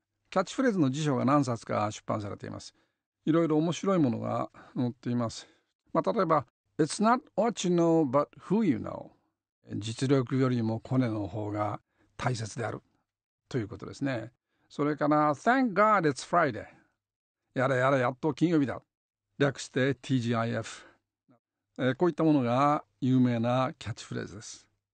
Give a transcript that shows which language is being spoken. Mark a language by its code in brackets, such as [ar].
[ja] キャッチフレーズの辞書が何冊か出版されています。いろいろ面白いものが載っています。まあ、例えば、 [en] It's not what you know, but who you know. [ja] 実力よりもコネの方が大切であるということですね。それから、 [en] Thank God it's Friday。 [ja] やれやれやっと金曜日だ。略して TGIF。こういったものが有名なキャッチフレーズです。